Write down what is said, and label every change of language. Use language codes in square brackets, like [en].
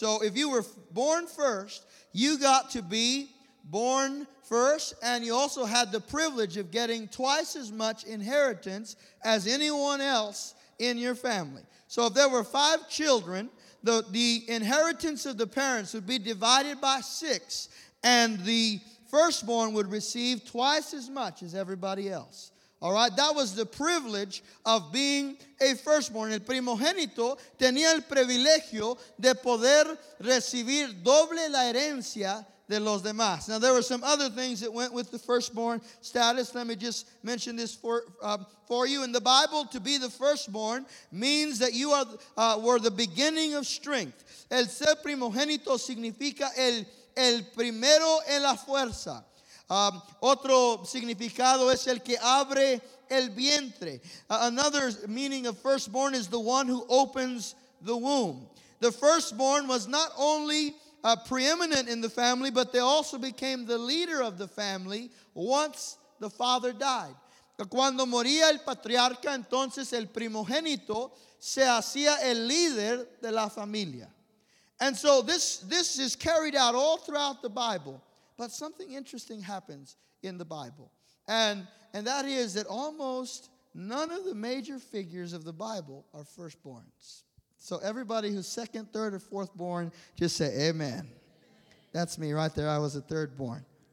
[en] So if you were born first, you got to be born first, and you also had the privilege of getting twice as much inheritance as anyone else in your family. So if there were five children, the inheritance of the parents would be divided by six, and the firstborn would receive twice as much as everybody else. All right? That was the privilege of being a firstborn. [es] El primogénito tenía el privilegio de poder recibir doble la herencia de los demás. [en] Now, there were some other things that went with the firstborn status. Let me just mention this for you. In the Bible, to be the firstborn means that you are were the beginning of strength. [es] El ser primogénito significa el primero en la fuerza. Otro significado es el que abre el vientre. [en] Another meaning of firstborn is the one who opens the womb. The firstborn was not only preeminent in the family, but they also became the leader of the family once the father died. [es] Cuando moría el patriarca, entonces el primogénito se hacía el líder de la familia. [en] And so this is carried out all throughout the Bible. But something interesting happens in the Bible. And that is that almost none of the major figures of the Bible are firstborns. So everybody who's second, third, or fourth born, just say amen. That's me right there. I was a third born.